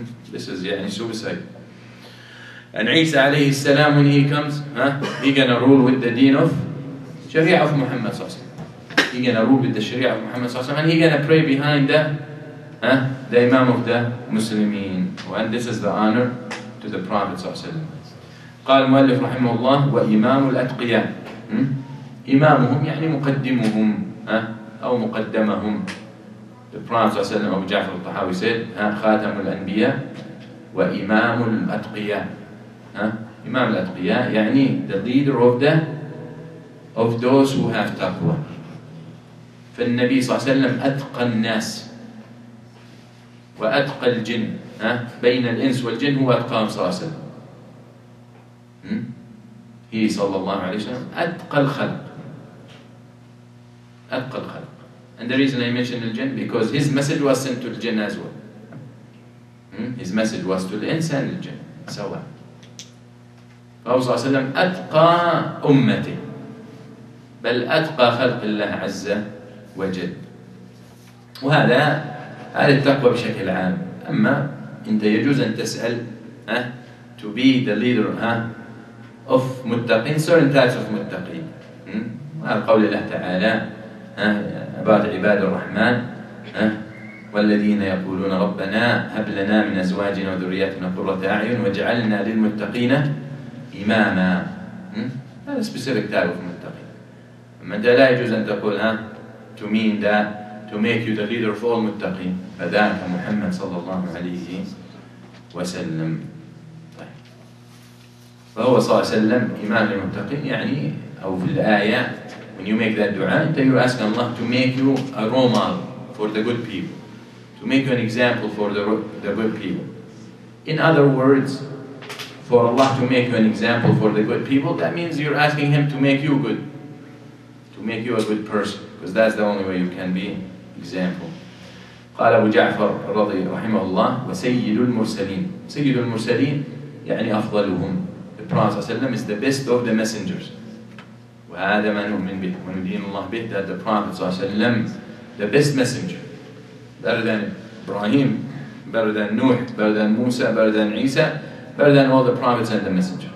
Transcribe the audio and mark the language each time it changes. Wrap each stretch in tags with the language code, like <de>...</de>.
<en>This is suicide. And Isa alayhi salam, when he comes, he gonna rule with the deen of Sharia of Muhammad sallallahu alayhi wa sallam. He gonna rule with the Sharia of Muhammad sallallahu alayhi wa sallam, and he gonna pray behind the Imam of the Muslimin. And this is the honor to the Prophet sallallahu alayhi wa sallam.</en> <ar>قال المؤلف رحمه الله وإمام الأتقياء إمامهم يعني مقدمهم أو مقدمهم.</ar> <en>The Prophet sallallahu alayhi wa sallam, Abu Ja'far al-Tahawi said,</en> <ar>خاتم الأنبياء وإمام الأتقياء.</ar> <en>Imam al-Atqiya, يعني the leader of those who have taqwa.</en> <ar>فالنبي صلى الله عليه وسلم أتقى الناس وأتقى الجن. بين الإنس والجن هو أتقى صلى الله عليه وسلم. هي صلى الله عليه وسلم أتقى الخلق. أتقى الخلق.</ar> <en>And the reason I mention the jinn, because his message was sent to the jinn as well. His message was to the ins and the jinn.</en> <ar>سواء. فهو صلى الله عليه وسلم أتقى أمتي بل أتقى خلق الله عز وجل. وهذا التقوى بشكل عام. أما أنت يجوز أن تسأل</ar> <en>to be the leader of متقين certain types of متقين.</en> <ar>وهذا قول الله تعالى about عباد الرحمن والذين يقولون ربنا هب لنا من أزواجنا وذرياتنا قرة أعين واجعلنا للمتقين إماما.</ar> <en>هذا specific type of متقين.</en> <ar>أما أنت لا يجوز أن تقول</ar> <en>to mean that to make you the leader of all متقين.</en> <ar>فذاك محمد صلى الله عليه وسلم. فهو صلى الله عليه وسلم إمام المتقين يعني أو في الآية</ar> <en>when you make that</en> <ar>دعاء أنت</ar> <en>you ask Allah to make you a role model for the good people. To make you an example for the good people. In other words, for Allah to make you an example for the good people, that means you're asking Him to make you good, to make you a good person, because that's the only way you can be example.</en> <ar>قال أبو جعفر رضي رحمه الله وسيد المرسلين. سيد المرسلين يعني أفضلهم.</ar> <en>The Prophet ﷺ is the best of the messengers.</en> <ar>وهذا ما نؤمن به وندين الله به</ar> <en>that the Prophet ﷺ the best messenger, better than Ibrahim, better than Nuh, better than Musa, better than Isa. Better than all the prophets and the messenger.</en>